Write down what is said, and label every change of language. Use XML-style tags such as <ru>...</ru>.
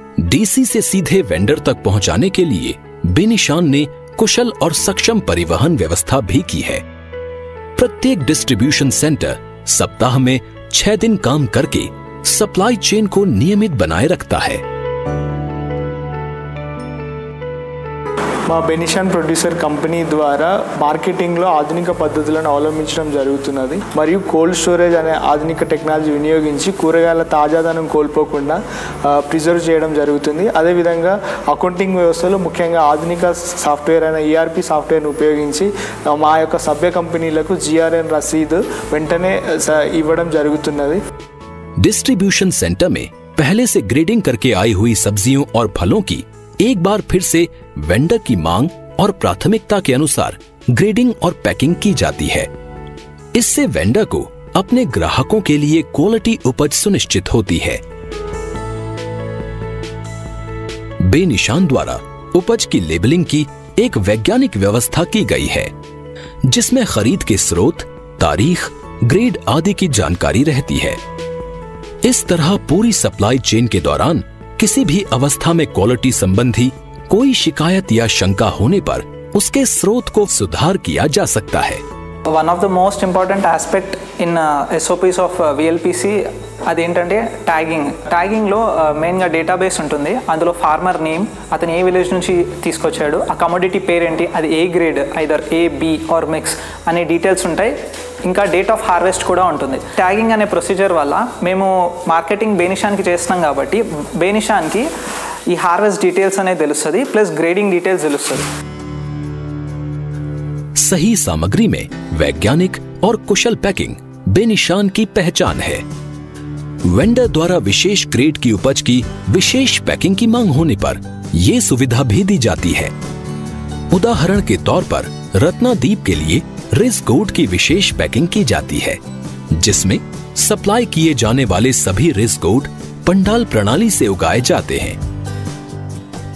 <hi>DC से सीधे vendor तक पहुंचाने के लिए बेनिशान ने कुशल और सक्षम परिवहन व्यवस्था भी की है। प्रत्येक डिस्ट्रीब्यूशन सेंटर सप्ताह में 6 दिन काम करके सप्लाई चेन को नियमित बनाए रखता है।</hi> <te>మా బెనిషాన్ ప్రొడ్యూసర్ కంపెనీ ద్వారా మార్కెటింగ్లో ఆధునిక పద్ధతులను అవలంబించడం జరుగుతున్నది, మరియు కోల్డ్ స్టోరేజ్ అనే ఆధునిక టెక్నాలజీ వినియోగించి కూరగాయల తాజాదనం కోల్పోకుండా ప్రిజర్వ్ చేయడం జరుగుతుంది। అదేవిధంగా అకౌంటింగ్ వ్యవస్థలో ముఖ్యంగా ఆధునిక సాఫ్ట్వేర్ అయిన ERP సాఫ్ట్వేర్ను ఉపయోగించి మా యొక్క సభ్య కంపెనీలకు GRN రసీదు వెంటనే ఇవ్వడం జరుగుతున్నది।</te> <hi>డిస్ట్రిబ్యూషన్ సెంటర్ మే పహలే సే గ్రేడింగ్ కర్కే ఆయి హుయి సబ్జియో ఆర్ ఫలో కి एक बार फिर से वेंडर की मांग और प्राथमिकता के अनुसार ग्रेडिंग और पैकिंग की जाती है। इससे वेंडर को अपने ग्राहकों के लिए क्वालिटी उपज सुनिश्चित होती है। बेनिशान द्वारा उपज की लेबलिंग की एक वैज्ञानिक व्यवस्था की गई है, जिसमें खरीद के स्रोत, तारीख, ग्रेड आदि की जानकारी रहती है। इस तरह पूरी सप्लाई चेन के दौरान किसी भी अवस्था में क्वालिटी संबंधी कोई शिकायत या शंका होने पर उसके स्रोत को सुधार किया जा सकता है।</hi> <en>One of the most important aspect in SOPs of VLPC</en> <te>అదేంటంటే ట్యాగింగ్. ట్యాగింగ్లో మెయిన్గా డేటాబేస్ ఉంటుంది, అందులో ఫార్మర్ నేమ్, అతను ఏ విలేజ్ నుంచి తీసుకొచ్చాడు, ఆ కమోడిటీ పేరు ఏంటి, అది ఏ grade, either ఏ B are mix అనే డీటెయిల్స్ ఉంటాయి. ఇంకా డేట్ ఆఫ్ హార్వెస్ట్ కూడా ఉంటుంది. ట్యాగింగ్ అనే ప్రొసీజర్ వల్ల మేము మార్కెటింగ్ బేనిషాన్కి చేస్తున్నాం కాబట్టి బేనిషాన్కి ఈ హార్వెస్ట్ డీటెయిల్స్ అనేది తెలుస్తుంది, ప్లస్ గ్రేడింగ్ డీటెయిల్స్ తెలుస్తుంది.</te> <hi>सही सामग्री में वैज्ञानिक और कुशल पैकिंग बेनिशान की पहचान है. वेंडर द्वारा विशेष ग्रेड की उपज की विशेष पैकिंग की मांग होने पर ये सुविधा भी दी जाती है. उदाहरण के तौर पर रत्नादीप के लिए रिस गोड की विशेष पैकिंग की जाती है, जिसमें सप्लाई किए जाने वाले सभी रिस गोड पंडाल प्रणाली से उगाए जाते हैं.</hi>